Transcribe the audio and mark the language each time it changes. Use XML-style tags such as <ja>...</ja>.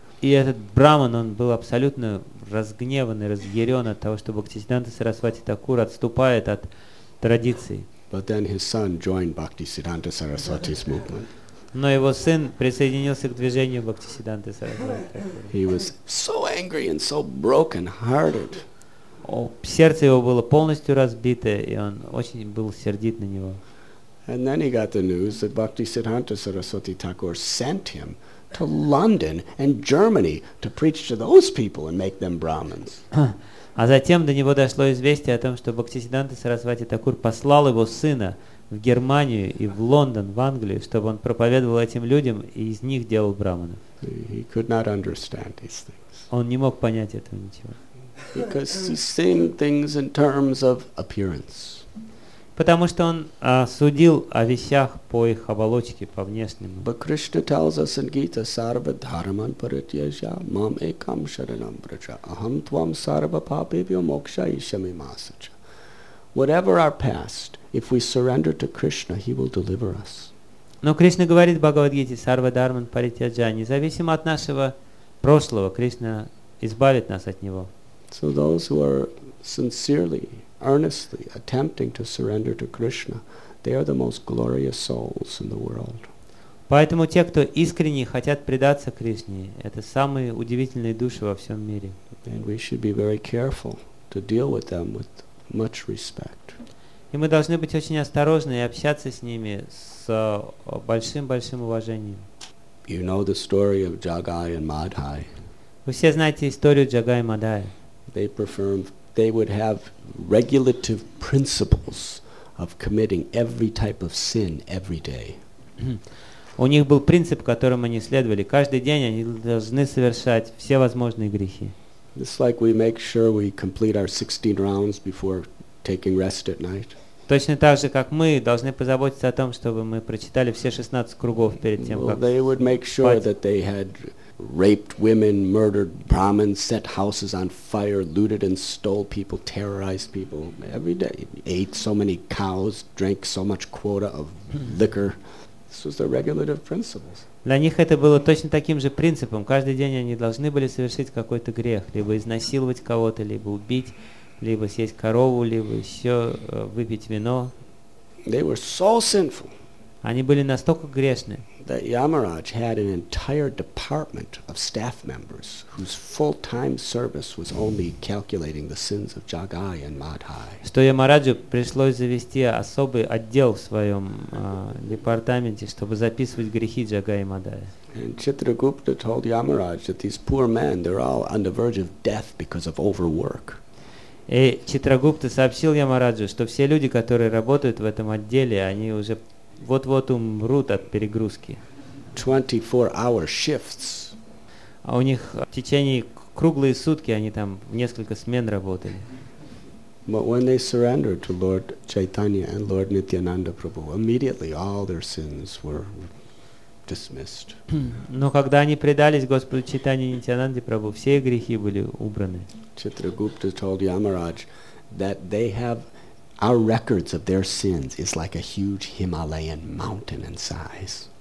<ru>И этот Брахман, он был абсолютно разгневан и разъярен от того, что Бхактисиддханта Сарасвати Такур отступает от традиции.</ru> <en>But then his son joined Bhaktisiddhanta Saraswati's movement.</en> <ru>Но его сын присоединился к движению Бхактисиддханты Сарасвати Такура.</ru> <en>He was so angry and so broken-hearted.</en> <ru>Сердце его было полностью разбито, и он очень был сердит на него.</ru> <en>And then he got the news that Bhaktisiddhanta Saraswati Thakur sent him to London and Germany to preach to those people and make them Brahmins.</en> <ru>А затем до него дошло известие о том, что Бхактисиддханта Сарасвати Такур послал его сына в Германию и в Лондон, в Англию, чтобы он проповедовал этим людям и из них делал брахманов.</ru> <en>He could not understand these things.</en> <ru>Он не мог понять этого ничего.</ru> <en>Because he's seeing things in terms of appearance.</en> <ru>Потому что он судил о вещах по их оболочке, по внешнему.</ru> <en>But Krishna tells us in Gita,</en> <sa>sarva dharman parityajya mam ekam sharanam braja aham tvam sarva papevyo moksha ishami masacha.</sa> <en>Whatever our past, if we surrender to Krishna, he will deliver us.</en> <ru>Но Кришна говорит в Бхагавад-гите,</ru> <sa>sarva dharman parityajya,</sa> <ru>независимо от нашего прошлого, Кришна избавит нас от него.</ru> <en>So those who are sincerely, earnestly attempting to surrender to Krishna, they are the most glorious souls in the world.</en> <ru>Поэтому те, кто искренне хотят предаться Кришне, это самые удивительные души во всем мире.</ru> <en>And we should be very careful to deal with them with much respect.</en> <ru>И мы должны быть очень осторожны и общаться с ними с большим-большим уважением.</ru> <en>You know the story of Jagai and Madhai.</en> <ru>Вы все знаете историю Джагая и Мадая.</ru> <en>They would have regulative principles of committing every type of sin every day.</en> <ru>У них был принцип, которым они следовали. Каждый день они должны совершать все возможные грехи.</ru> <en>It's like we make sure we complete our 16 rounds before taking rest at night.</en> <ru>Точно так же, как мы должны позаботиться о том, чтобы мы прочитали все 16 кругов перед тем, как спать.</ru> <en>They would make sure that they had raped women, murdered Brahmins, set houses on fire, looted and stole people, terrorized people every day, ate so many cows, drank so much quota of liquor. This was the regulative principles.</en> <ru>Для них это было точно таким же принципом. Каждый день они должны были совершить какой-то грех, либо изнасиловать кого-то, либо убить, либо съесть корову, либо еще выпить вино.</ru> <en>They were so sinful.</en> <ru>Они были настолько грешны.</ru> <en>That Yamaraj had an entire department of staff members whose full-time service was only calculating the sins of Jagai and Madhai.</en> <ru>Что Ямараджу пришлось завести особый отдел в своем департаменте, чтобы записывать грехи Джагая и Мадая.</ru> <en>And Chitragupta told Yamaraj that these poor men, they're all on the verge of death because of overwork.</en> <ru>И Читрагупта сообщил Ямараджу, что все люди, которые работают в этом отделе, они уже вот-вот умрут от перегрузки.</ru> <en>24-hour shifts.</en> <ru>А у них в течение круглые сутки они там в несколько смен работали.</ru> <en>But when they surrendered to Lord Chaitanya and Lord Nityananda Prabhu, immediately all their sins were dismissed.</en> <ru>Но когда они предались Господу Чайтанье и Нитьянанде Прабху, все грехи были убраны.</ru> <en>Chitragupta told Yamaraj that they have our records of their sins is like a huge Himalayan mountain in size.</en>